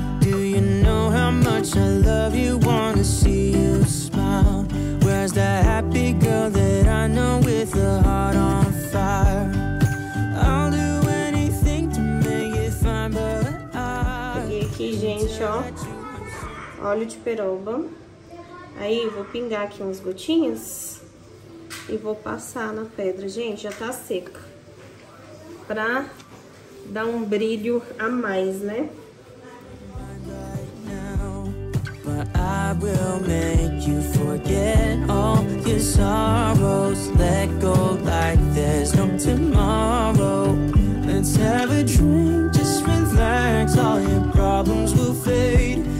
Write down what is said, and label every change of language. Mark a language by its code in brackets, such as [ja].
[en] Do you know how much I love you? Wanna see you smile. Where's that happy girl that I know with a heart on fire? I'll do anything to make it fine, but I... [pt] Peguei aqui, gente, ó. Óleo de peroba. Aí, vou pingar aqui uns gotinhos. E vou passar na pedra. Gente, já tá seca. Pra dar um brilho a mais, né? [en] I will make you forget all your sorrows. Let go like there's no tomorrow. Let's have a drink, just relax. All your problems will fade.